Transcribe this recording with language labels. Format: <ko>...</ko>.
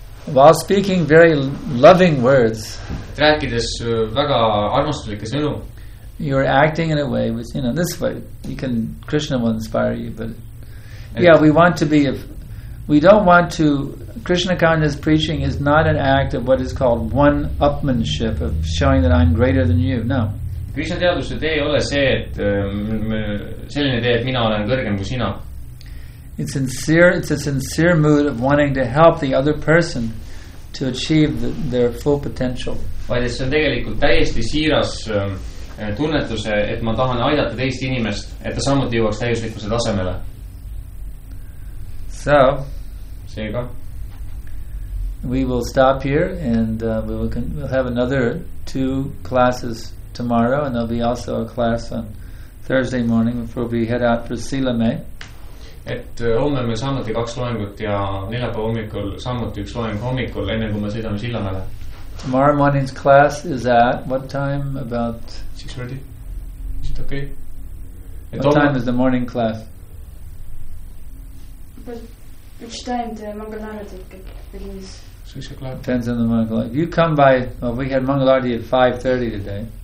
<en>While speaking very loving words.</en> <et>Rääkides väga armastulike sõnu.</et> <en>you're acting in a way which, you know, this way you can, Krishna will inspire you, but yeah, we want to be, we don't want to, Krishna consciousness preaching is not an act of what is called one upmanship of showing that I'm greater than you. No.</en> <et>Krishna teaduste tee ei ole see, et selline tee, et mina olen kõrgem kui sina.</et> <en>It's sincere, it's a sincere mood of wanting to help the other person to achieve their full potential.</en> <et>Vaid see on tegelikult täiesti siiras tunnetuse, et ma tahan aidata teist inimest, et ta samuti jõuaks täiuslikkuse tasemele.</et> <en>So,</en> <et>seega,</et> <en>we will stop here and we'll have another two classes tomorrow, and there'll be also a class on Thursday morning before we head out for Silame.</en> <et>Et homme me samuti kaks loengut ja neljapäeva hommikul samuti üks loeng hommikul enne kui me sõidame Sillamäele.</et> <en>Tomorrow morning's class is at what time? About 6:30. Is it okay? What time is the morning class? Which time the Mangalarti begins? 6 o'clock. You come by, well, we had Mangalarti at 5:30 today.</en>